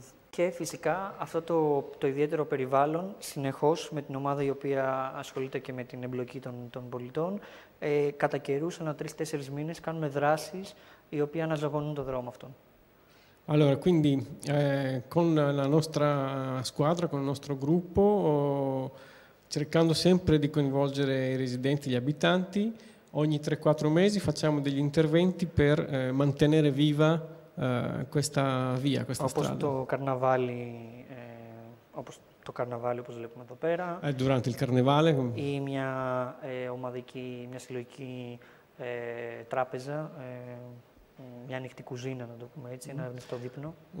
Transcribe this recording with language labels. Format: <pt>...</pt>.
<el>Και φυσικά αυτό το ιδιαίτερο περιβάλλον συνεχώς με την ομάδα η οποία ασχολείται και με την εμπλοκή των πολιτών κατά καιρούς, ένα 3-4 μήνες, κάνουμε δράσεις οι οποίες αναζωογονούν το δρόμο αυτό.</el> <it>Allora, quindi con la nostra squadra, con il nostro gruppo, cercando sempre di coinvolgere i residenti, gli abitanti, ogni 3-4 mesi facciamo degli interventi per mantenere viva questa via, questa</it> <el>όπως</el> <it>strada.</it> <el>Το carnavale, όπως το carnavale, όπως βλέπουμε εδώ πέρα.</el> <it>Durante il carnevale.</it> <el>Ή μια ομαδική, μια συλλογική τράπεζα. Μια ανοιχτή κουζίνα, να το πούμε έτσι, ένα ανοιχτό δείπνο.</el>